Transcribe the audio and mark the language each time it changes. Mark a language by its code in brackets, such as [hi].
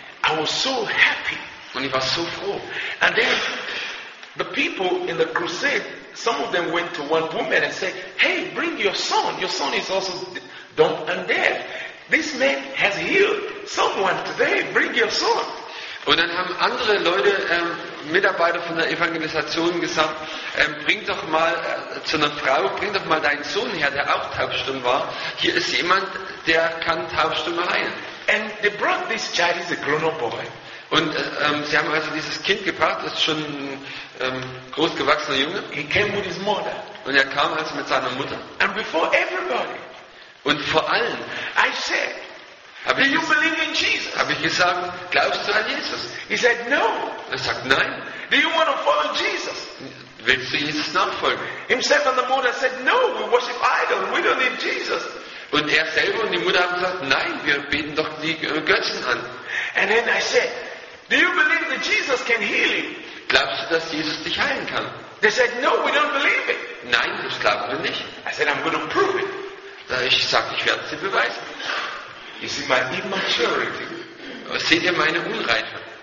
[en] I was so happy. [de] Und ich war so froh. [en] And then the people in the crusade, some of them went to one woman and said, "Hey, bring your son. Your son is also dumb and deaf. This man has healed someone today. Bring your son." [de] Und dann haben andere Leute, Mitarbeiter von der Evangelisation gesagt, bring doch mal zu einer Frau, bring doch mal deinen Sohn her, der auch taubstumm war. Hier ist jemand, der kann Taubstumme heilen. [en] And they brought this child, he's a grown-up boy. [de] Und sie haben also dieses Kind gebracht, das ist schon ein großgewachsener Junge. [en] He came with his mother. [de] Und er kam also mit seiner Mutter. [en] And before everybody, [de] und vor allen, [en] I said, "Do you believe in Jesus?" [de] Habe ich gesagt, glaubst du an Jesus? [en] He said, "No." [de] Er sagt, nein. [en] "Do you want to follow Jesus?" [de] Willst du Jesus nachfolgen? [en] Himself and the mother said, "No, we worship idols. We don't need Jesus." [de] Und er selber und die Mutter haben gesagt, nein, wir beten doch die Götzen an. [en] And then I said, "Do you believe that Jesus can heal you?" [de] Glaubst du, dass Jesus dich heilen kann? [en] They said, "No, we don't believe it." [de] Nein, das glauben wir nicht. [en] I said, "I'm going to prove it." [de] Da ich sag, ich werde sie beweisen. [en] You see my immaturity. [de] Seht ihr meine Unreife?